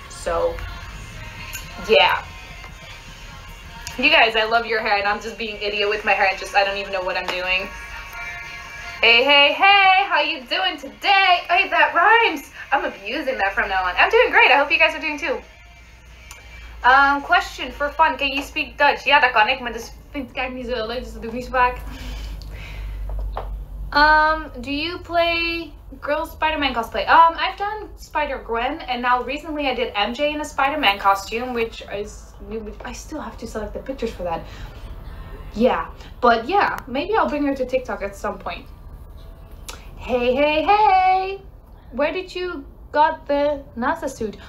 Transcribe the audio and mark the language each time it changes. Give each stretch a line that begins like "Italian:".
English: So, yeah. You guys, I love your hair, and I'm just being idiot with my hair, and just, I don't even know what I'm doing. Hey, how you doing today? Hey, that rhymes. I'm abusing that from now on. I'm doing great. I hope you guys are doing too. Question for fun. Can you speak Dutch?
Dutch: Ja, dat kan ik, maar dat vind ik eigenlijk niet zo leuk, dus dat doe ik niet zo vaak.
English: Do you play girl Spider-Man cosplay? I've done Spider-Gwen, and now recently I did MJ in a Spider-Man costume, which is new, but I still have to select the pictures for that. Yeah, but yeah, maybe I'll bring her to TikTok at some point. Hey. Where did you got the NASA suit?